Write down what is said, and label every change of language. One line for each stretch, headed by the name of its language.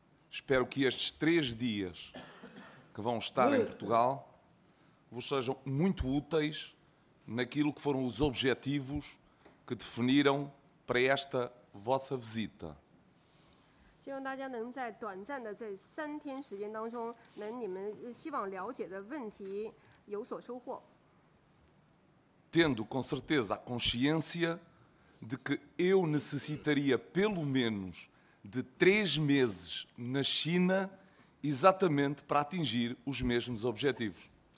Portuguese: Espero que estes três dias que vão estar em Portugal vos sejam muito úteis naquilo que foram os objetivos que definiram para esta vossa visita.
Chinese: 希望大家能在短暂的这三天时间当中，能你们希望了解的问题有所收获。
Portuguese: Tendo com certeza a consciência de que eu necessitaria pelo menos de 3 meses na China exatamente para atingir os mesmos objetivos.